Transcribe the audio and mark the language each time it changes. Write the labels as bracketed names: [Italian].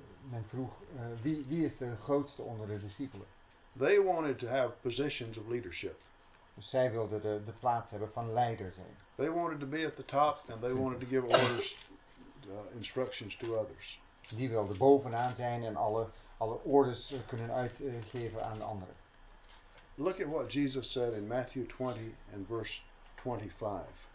[Dutch] Men vroeg, wie is de grootste onder de discipelen? [English] They wanted to have positions of leadership. [Dutch] Zij wilden de plaats hebben van leider zijn. [English] They wanted to be at the top and they wanted to give orders, instructions to others. [Dutch] Die wilden bovenaan zijn en alle orders kunnen uitgeven aan anderen. [English] Look at what Jesus said in Matthew 20 and verse 25.